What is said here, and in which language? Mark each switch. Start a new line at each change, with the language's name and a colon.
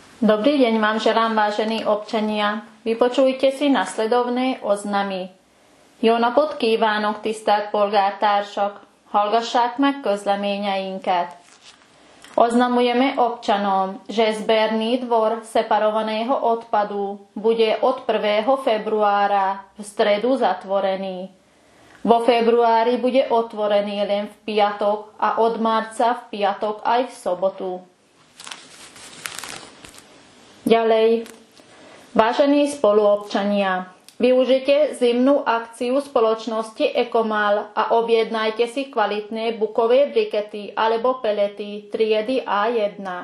Slovak: Dobrý deň vám želám, vážení občania. Vypočujte si nasledovné oznamy.
Hungarian: Jó napot kívánok, tisztelt polgártársak! Hallgassák meg közleményeinket!
Slovak: Oznamujeme občanom, že zberný dvor separovaného odpadu bude od 1. februára v stredu zatvorený. Vo februári bude otvorený len v piatok a od marca v piatok aj v sobotu. Ďalej. Vážení spoluobčania, využite zimnú akciu spoločnosti Ekomal a objednajte si kvalitné bukové brikety alebo pelety triedy A1.